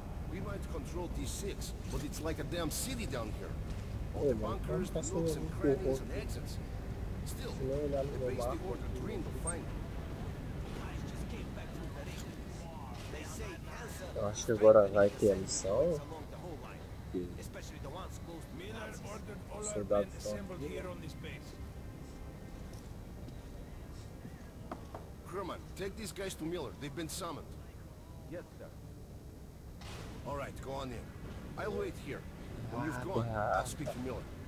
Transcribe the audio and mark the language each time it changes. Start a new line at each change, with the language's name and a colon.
English: We might control D6, but it's like a damn city down here. The bunkers, the nooks and crannies and exits. Still, the base the order dreamed of finding. I just came back from the region. They say cancer.
Portuguese: Eu acho que agora vai ter a missão.
English: Especially the ones close to the Miller ordered all our men assembled here on this base. Herman, take these guys to Miller. They've been summoned. Yes, sir. All right, go on in. I'll wait here. When you've gone, I'll speak to Miller.